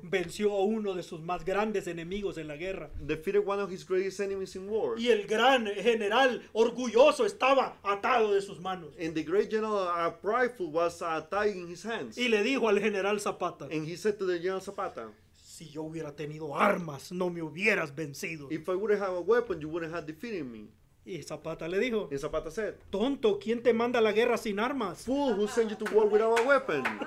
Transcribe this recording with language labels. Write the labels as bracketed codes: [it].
[es] Venció a uno de sus más grandes enemigos en la guerra. [en] Defeated one of his greatest enemies in war. [es] Y el gran general orgulloso estaba atado de sus manos. [en] And the great general prideful was tied in his hands. [es] Y le dijo al general Zapata. [en] And he said to the general Zapata. [es] Si yo hubiera tenido armas, no me hubieras vencido. [en] If I would have a weapon, you wouldn't have defeated me. [es] Y Zapata le dijo. [en] And Zapata said. [es] Tonto, ¿quién te manda a la guerra sin armas? [en] Fool, who sent you to war without a weapon?